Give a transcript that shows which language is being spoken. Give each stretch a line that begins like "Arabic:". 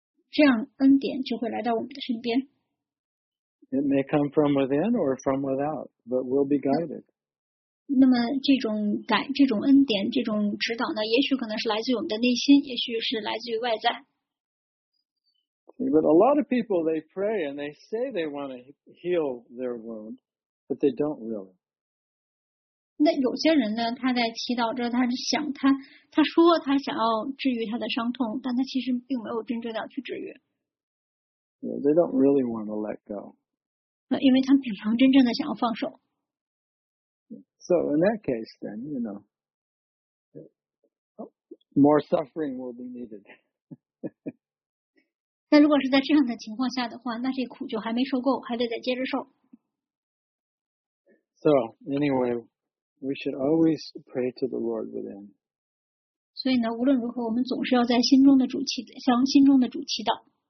Chinese: 这样恩典就会来到我们的身边。
English: It may come from within or from without, but we'll be guided.
Chinese: 那么这种感这种恩典这种指导呢也许可能是来自于我们的内心也许是来自于外在。
English: But a lot of people, they pray and they say they want to heal their wound, but they don't really.
Chinese: 那有些人呢他在祈祷着他想他说他想要治愈他的伤痛但他其实并没有真正的去治愈。
English: Yeah, they don't really want to let go.
Chinese: 那因为他平常真正的想要放手。
English: So in that case then, you know, more suffering will be needed.
Chinese: 那如果是在这样的情况下的话那这苦就还没受够还得再接着受。
English: So, anyway, we should always pray to the Lord within.
Chinese: 所以呢无论如何我们总是要在心中的主祈向心中的主祈祷。